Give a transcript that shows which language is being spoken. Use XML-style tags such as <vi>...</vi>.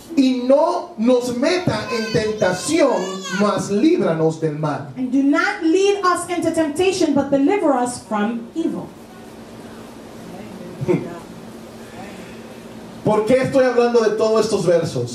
<es>y no nos meta en tentación, mas líbranos del mal.</es> <en>And do not lead us into temptation, but deliver us from evil.</en> <es>¿Por qué estoy hablando de todos estos versos?</es>